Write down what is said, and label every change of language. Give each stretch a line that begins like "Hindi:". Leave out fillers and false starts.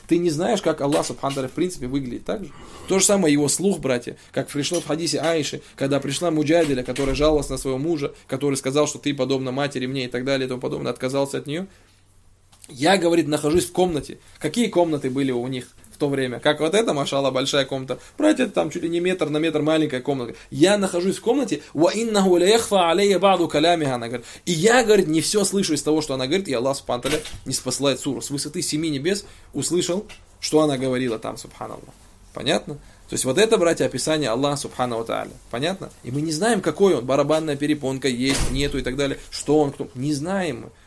Russian: Ты не знаешь, как Аллах, Субхану Тааля, в принципе, выглядит так же. То же самое его слух, братья, как пришло в хадисе Аиши, когда пришла Муджаделя, которая жаловалась на своего мужа, который сказал, что ты подобна матери мне и так далее, и тому подобное, отказался от нее. Я, говорит, нахожусь в комнате. Какие комнаты были у них в то время? Как вот эта, машала, большая комната. Братья, там чуть ли не метр на метр маленькая комната. Я нахожусь в комнате.
Arabic: وَإِنَّهُ لَيَخْفَ عَلَيَّ بَعْضُ كَلَامِهَا
Russian: Она говорит. И я, говорит, не все слышу из того, что она говорит. И Аллах, Субхану Тааля, не спасает суру. С высоты семи небес услышал, что она говорила там, Субхану Аллаху. Понятно? То есть вот это, братья, описание Аллаха Субхану Тааля. Понятно? И мы не знаем, какой он. Барабанная перепонка есть, нету и так далее. Что он, кто? Не знаем мы.